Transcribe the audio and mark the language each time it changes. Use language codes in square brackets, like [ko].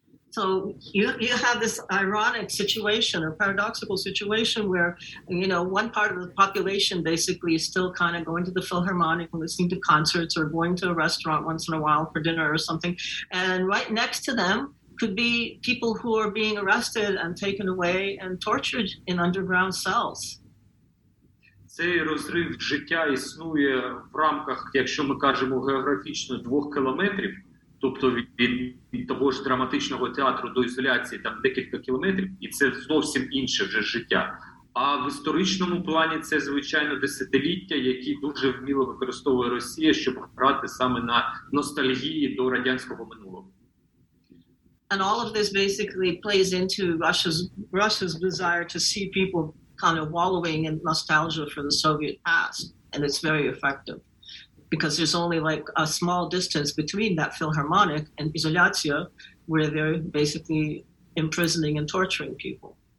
[en] So you have this ironic situation or paradoxical situation where, you know, one part of the population basically is still kind of going to the Philharmonic and listening to concerts or going to a restaurant once in a while for dinner or something. And right next to them could be people who are being arrested and taken away and tortured in underground cells. [uk] Цей розрив життя існує в рамках, якщо ми кажемо географічно, 2 кілометрів. Тобто від того ж драматичного театру до ізоляції там декілька кілометрів, і це зовсім інше вже життя. А в історичному плані це, звичайно, десятиліття, які дуже вміло використовує Росія, щоб грати саме на ностальгії до радянського минулого. [en] And all of this basically plays into Russia's desire to see people kind of wallowing in nostalgia for the Soviet past, and it's very effective. Because there's only like a small distance between that Philharmonic and Izolyatsia, where they're basically imprisoning and torturing people.